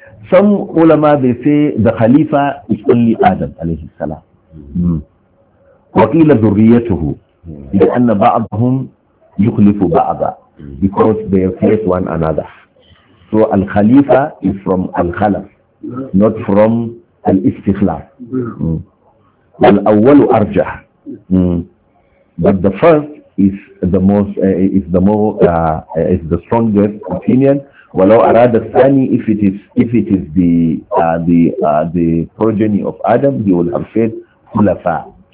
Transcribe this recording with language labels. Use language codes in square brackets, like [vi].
[en] Some ulama, they say the Khalifa is only Adam alayhi salam. [ar] وَقِيلَ ذُرِّيَّتُهُ لِأَنَّ بَعْضَهُمْ يُخْلِفُ بَعْضًا [en] because they face one another. So Al Khalifa is from Al Khalaf, not from Al Istikhlaf. Al Awwalu Arjah. But the first is the most is the strongest opinion. Walau arada thani, if it is the progeny of Adam, he will have said khulafa.